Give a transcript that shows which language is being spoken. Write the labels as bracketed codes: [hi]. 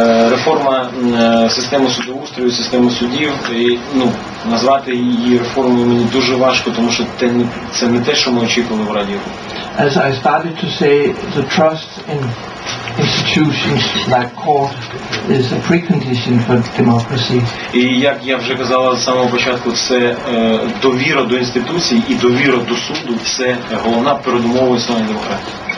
[uk] Реформа системи судоустрою, системи судів, і, ну, назвати її реформою мені дуже важко, тому що це не те, що ми очікували в Раді. [en] As I started to say, the trust in institutions like court is a precondition for democracy. [uk] І як я вже казала з самого початку, це довіра до інституцій і довіра до суду – це головна передумова існування демократії.